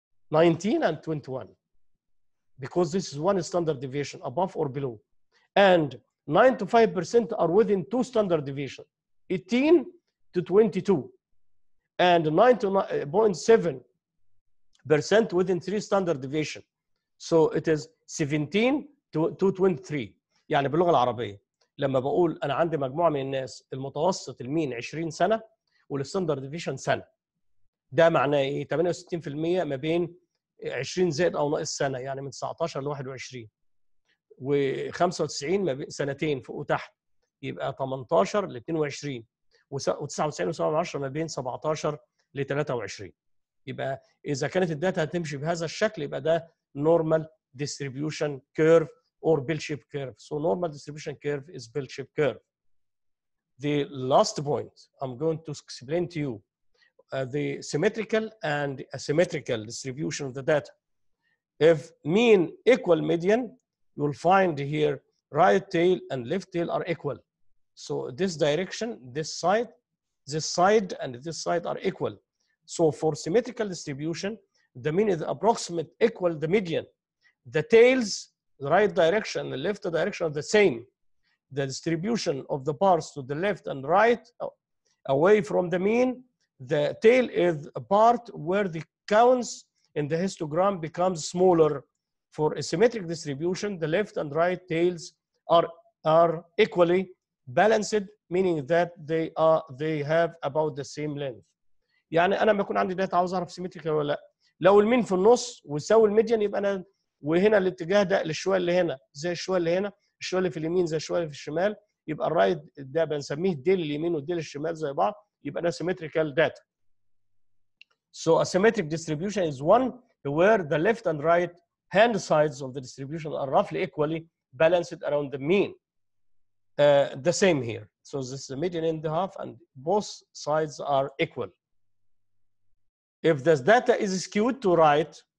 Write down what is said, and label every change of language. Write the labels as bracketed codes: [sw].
[en] 19 and 21. Because this is one standard deviation, above or below. And 95% are within two standard deviation, 18 to 22, and 99.7% within three standard deviation. So it is 17 to 23. [ar] يعني باللغة العربية لما بقول أنا عندي مجموعة من الناس المتوسط المين 20 سنة والستاندرد ديفيشن سنة. ده معناه إيه؟ 68% ما بين 20 زائد أو ناقص سنة، يعني من 19 ل 21. و95 ما بين سنتين فوق وتحت يبقى 18 ل 22 و99.7 ما بين 17 ل 23. يبقى اذا كانت الداتا هتمشي بهذا الشكل يبقى ده [en] Normal distribution curve or bell shape curve. So normal distribution curve is bell shape curve. The last point I'm going to explain to you the symmetrical and asymmetrical distribution of the data. If mean equal median, you'll find here right tail and left tail are equal. So this direction, this side and this side are equal. So for symmetrical distribution, the mean is approximate equal the median. The tails, the right direction and the left direction are the same. The distribution of the bars to the left and right away from the mean, the tail is a part where the counts in the histogram becomes smaller. For a symmetric distribution, the left and right tails are equally balanced, meaning that they have about the same length. [ar] يعني أنا ما يكون عندي داتا عاوز أعرف symmetric ولا لا. لو المين في النص ويساوي الميديان يبقى أنا وهنا الاتجاه ده للشوية اللي هنا زي الشوية اللي هنا، الشوية اللي في اليمين زي الشوية اللي في الشمال، يبقى الرايت ده بنسميه ديل اليمين وديل الشمال زي بعض، يبقى ده symmetrical data. [en] So a symmetric distribution is one where the left and right hand sides of the distribution are roughly equally balanced around the mean. The same here. So this is the median and the half, and both sides are equal. If this data is skewed to right